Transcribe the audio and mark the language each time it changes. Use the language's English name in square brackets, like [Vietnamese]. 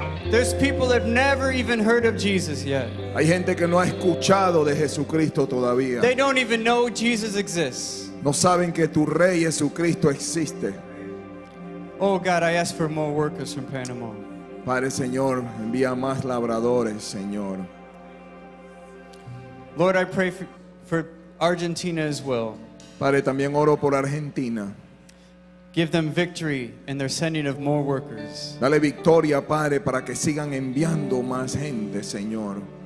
[English] There's people that have never even heard of Jesus yet. [Spanish] Hay gente que no ha escuchado de Jesucristo todavía. [English] They don't even know Jesus exists. [Spanish] No saben que tu Rey Jesucristo existe. [English] Oh God, I ask for more workers from Panama. [Spanish] Padre, Señor, envía más labradores, Señor. [English] Lord, I pray for Argentina as well. [Spanish] Padre, también oro por Argentina. [English] Give them victory in their sending of more workers. [Spanish] Dale victoria, Padre, para que sigan enviando más gente, Señor.